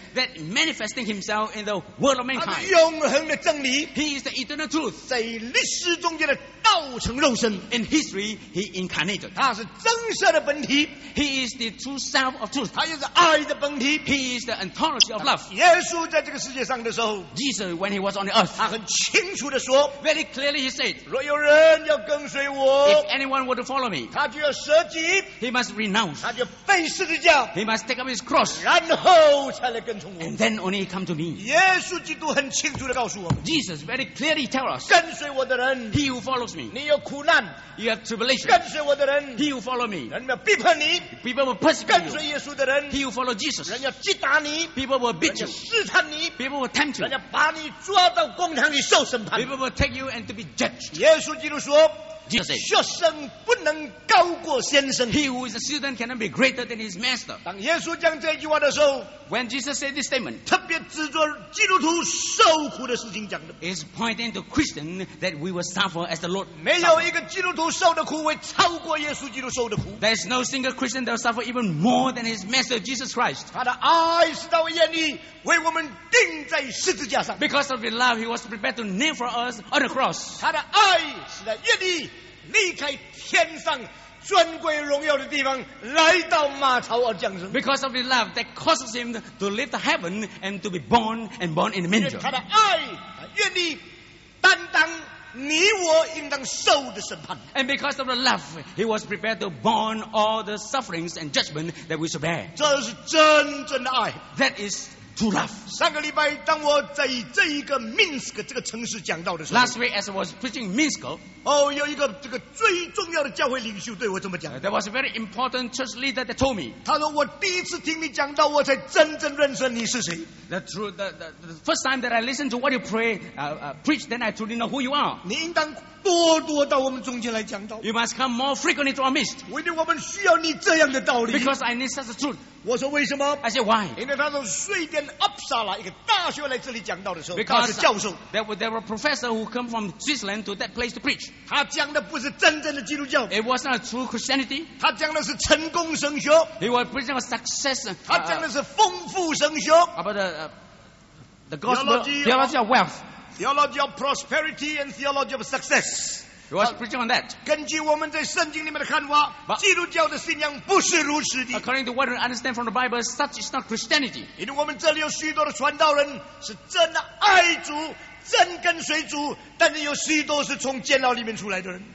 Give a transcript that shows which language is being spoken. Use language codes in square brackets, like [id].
[en] That manifesting himself in the world of mankind. [zh] 他是永恒的真理。 [en] He is the eternal truth. [zh] 在历史中间的道成肉身。 [en] In history, he incarnated. [zh] 他是真实的本体。 [en] He is the true self of truth. [zh] 他也是爱的本体。 [en] He is the ontology of love. [zh] 耶稣在这个世界上的时候， [en] Jesus, when he was on the earth, [zh] 他很清楚地说， [en] Very clearly he said, [zh] 若有人要跟随我， [en] If anyone were to follow me, [zh] 他就要舍己， [en] He must renounce, [zh] 他就背十字架， [en] He must take up his cross, [zh] 然后才来跟从我。 [en] And then only come to me. [zh] 耶稣基督很清楚地告诉我们， [en] Jesus very clearly tell us, [zh] 跟随我的人， [en] He who follows me, [zh] 你有苦难， [en] You have tribulation. [zh] 跟随我的人， [en] He who follow me, [zh] 人要逼迫你， [en] People will persecute you. [zh] 跟随耶稣的人， [en] He who follow Jesus, [zh] 人要击打你， [en] People will beat you. [zh] 人要试探你， [en] People will tempt you. [zh] 人要把你抓到公堂里受审判， [en] People will take you and to be judged. [zh] 耶稣基督说，学生不能高过先生。 [en] He who is a student cannot be greater than his master. [zh] 当耶稣讲这句话的时候， [en] When Jesus said this statement, [zh] 特别指着基督徒受苦的事情讲的。 [en] Is pointing to Christian that we will suffer as the Lord. [zh] 没有一个基督徒受的苦会超过耶稣基督受的苦。 [en] There is no single Christian that will suffer even more than his master Jesus Christ. [zh] 他的爱是到愿意为我们钉在十字架上。 [en] Because of his love, he was prepared to nail for us on the cross. [zh] 他的爱是在愿意离开天上尊贵荣耀的地方，来到马槽而降生。 [en] Because of the love that causes him to leave the heaven and to be born and born in the manger. [zh] 他的爱，他愿意担当你我应当受的审判。 [en] And because of the love, he was prepared to bear all the sufferings and judgment that we should bear. [zh] 这是真正的爱。 [en] That is. To love. [zh] 上个礼拜当我在这一个 Minsk 这个城市讲道的时候， [en] Last week as I was preaching Minsk, [zh] 有一个这个最重要的教会领袖对我这么讲。 [en] There was a very important church leader that told me. [zh] 他说我第一次听你讲道，我才真正认识你是谁。 [en] The first time that I listened to what you preach, then I truly know who you are. [zh] 你应当多多到我们中间来讲道。 [en] You must come more frequently to our midst. [zh] 为了我们需要你这样的道理。 [en] Because I need such a truth. [zh] 我说为什么？ [en] I said why? [zh] 因为他从瑞典阿普萨拉一个大学来这里讲道的时候， [en] Because [zh] 他是教授。 [en] There were professors who come from Switzerland to that place to preach. [zh] 他讲的不是真正的基督教。 [en] It was not true Christianity. [zh] 他讲的是成功神学。 [en] He was preaching a success. [zh] 他讲的是丰富神学。 [en] About the gospel, theology of wealth. Theology of prosperity and theology of success. He was preaching on that. [zh] 根据我们在圣经里面的看法， [en] But, [zh] 基督教的信仰不是如此的。 [en] According to what we understand from the Bible, such is not Christianity. [zh] 因为我们这里有许多的传道人是真的爱主，真跟随主，但是有许多是从监牢里面出来的人。